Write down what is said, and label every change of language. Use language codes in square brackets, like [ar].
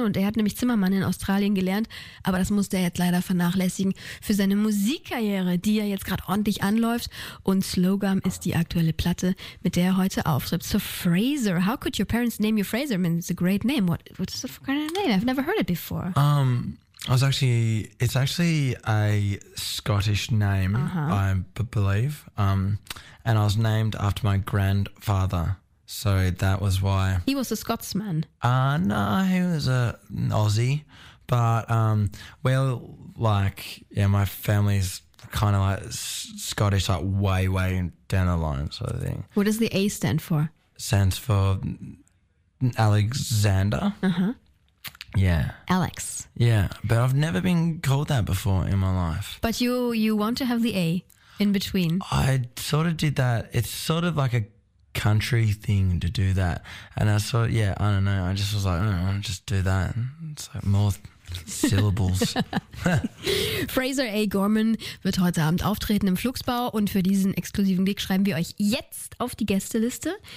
[de] Und er hat nämlich Zimmermann in Australien gelernt. Aber das musste er jetzt leider vernachlässigen für seine Musikkarriere, die ja jetzt gerade ordentlich anläuft. Und Slogan ist die aktuelle Platte, mit der er heute auftritt. [en] So, Fraser. How could your parents name you Fraser? I mean, it's a great name. What is the kind of name? I've never heard it before. It's actually a Scottish name, uh-huh. I believe, and I was named after my grandfather, so that was why. He was a Scotsman. No, he was an Aussie, but my family's kind of like Scottish, like way, way down the line sort of thing. What does the A stand for? Stands for Alexander. Uh-huh. Yeah. Alex. Yeah, but I've never been called that before in my life. But you want to have the A in between. I sort of did that. It's sort of like a country thing to do that. And I sort of, yeah, I don't know. I just was like, I don't know, I'll just do that. It's like more... syllables. [de] Fraser A. Gorman wird heute Abend auftreten im Fluxbau und für diesen exklusiven Gig schreiben wir euch jetzt auf die Gästeliste.